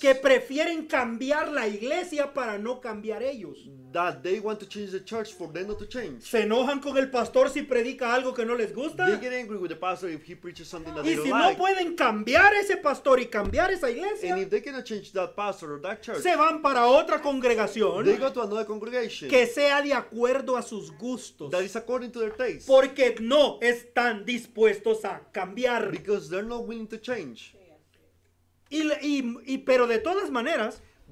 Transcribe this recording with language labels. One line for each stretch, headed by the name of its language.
Spanish: que prefieren cambiar la iglesia para no cambiar ellos.
English: That they want to change the church for them not to change.
Spanish: Se enojan con el pastor si predica algo que no les gusta.
English: They get angry with the pastor if he preaches something that
Spanish: y si no
English: like.
Spanish: Y si no pueden cambiar ese pastor y cambiar esa iglesia.
English: And if they cannot change that pastor or that church.
Spanish: Se van para otra congregación.
English: They go to another congregation.
Spanish: Que sea de acuerdo a sus gustos.
English: That is according to their taste.
Spanish: Porque no están dispuestos a cambiar.
English: Because they're not willing to change.
Spanish: Y pero de todas maneras,